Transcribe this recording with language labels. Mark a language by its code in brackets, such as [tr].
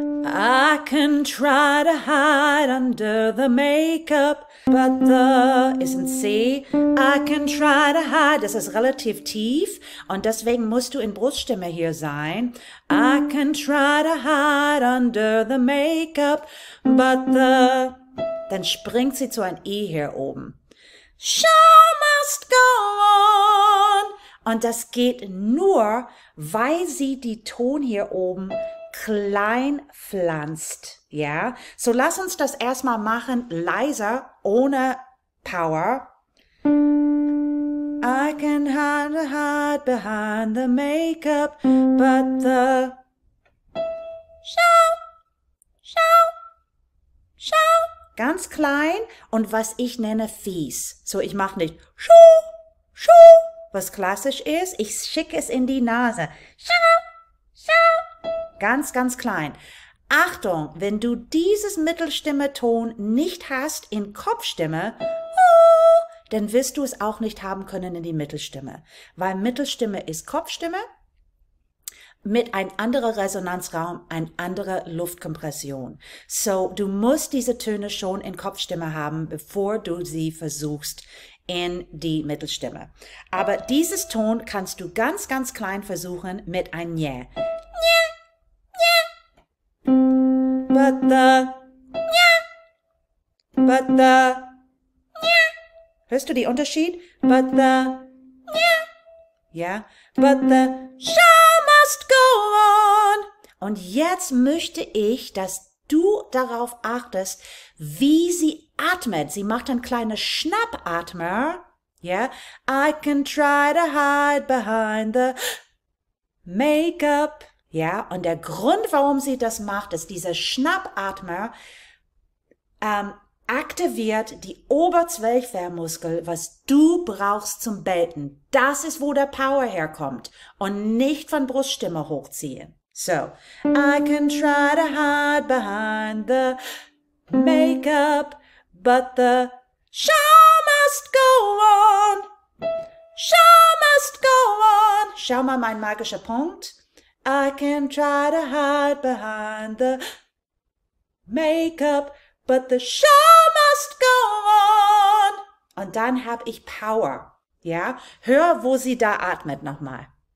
[en] I can try to hide under the makeup, but the is in C. I can try to hide. [de] Das ist relativ tief und deswegen musst du in Bruststimme hier sein. [en] I can try to hide under the makeup, but the. [de] Dann springt sie zu ein E hier oben. [en] Show must go on. [de] Und das geht nur, weil sie die Ton hier oben klein pflanzt. Ja? So, lass uns das erstmal machen, leiser, ohne Power. [en] I can hardly hide behind the makeup, but the show, show, show. [de] Ganz klein und was ich nenne fies. So, ich mache nicht [en] show, show, [de] was klassisch ist. Ich schicke es in die Nase. [en] Show, show. [de] Ganz, ganz klein. Achtung, wenn du dieses Mittelstimmeton nicht hast in Kopfstimme, dann wirst du es auch nicht haben können in die Mittelstimme. Weil Mittelstimme ist Kopfstimme mit ein anderer Resonanzraum, ein anderer Luftkompression. So, du musst diese Töne schon in Kopfstimme haben, bevor du sie versuchst in die Mittelstimme. Aber dieses Ton kannst du ganz, ganz klein versuchen mit einem Nye. [en] Nye, nye. But the. Nye. But the. [de] Hörst du den Unterschied? [en] But the, yeah, but the show must go on. [de] Und jetzt möchte ich, dass du darauf achtest, wie sie atmet. Sie macht einen kleinen Schnappatmer. [en] Yeah, I can try to hide behind the makeup. [de] Ja, und der Grund, warum sie das macht, ist dieser Schnappatmer. Aktiviert die Oberzwerchfellmuskel, was du brauchst zum Belten. Das ist, wo der Power herkommt und nicht von Bruststimme hochziehen. [en] So, I can try to hide behind the makeup, but the show must go on. Show must go on. [de] Schau mal mein magischer Punkt. [en] I can try to hide behind the makeup, but the show must go on. [de] Und dann hab ich Power. Ja? Hör, wo sie da atmet nochmal.